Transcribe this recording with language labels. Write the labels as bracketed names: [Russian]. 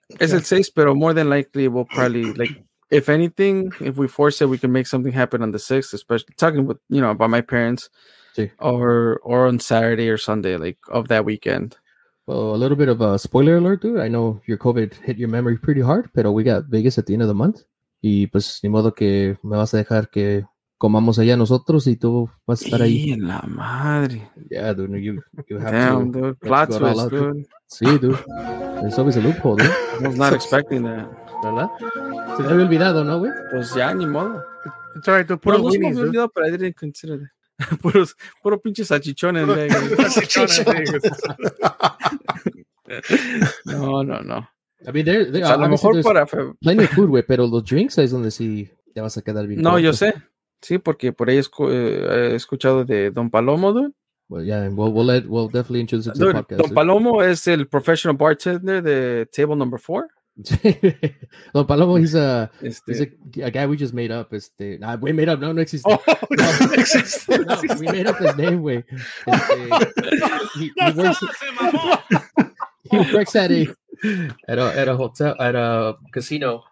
[Spanish] Es el 6, pero [English] more than likely we'll probably, like, if anything, if we force it, we can make something happen on the 6th, especially talking with, you know, about my parents. [Spanish] Sí. [English] Or on Saturday or Sunday, like, of that weekend. Well, a little bit of a spoiler alert, dude. I know your COVID hit your memory pretty hard, [Spanish] pero [English] we got Vegas at the end of the month. [Spanish] Y pues, ni modo que me vas a dejar que comamos allá nosotros y tú vas a estar ahí. ¡Y la madre! [English] Yeah, dude, you have damn, Damn, dude. Plot twist, dude. Sí, dude. There's always a loophole, dude. I was not expecting that. [Spanish] ¿Verdad? Se te había olvidado, ¿no, güey? Pues ya, ni modo. [English] It's all right, dude. [Spanish] Puro Winnie's, dude. Olvidado, pero [English] I didn't consider that. [Spanish] Puro pinche salchichón en Vegas. No. [English] I mean, there's [Spanish] a lo mejor para [English] plenty of food, güey, pero los drinks es donde sí te vas a quedar bien. [Spanish] No, yo sé. Sí, porque por ahí he escuchado de Don Palomo, dude. [English] Well, yeah, and we'll definitely introduce it to the podcast. [Spanish] Don Palomo es el professional bartender de [English] table number 4. No, Palomo, he's a guy we just made up. We made up. [Spanish] No existe. [English] Oh, no, no, we made up his name. Way. He works at a hotel at a casino.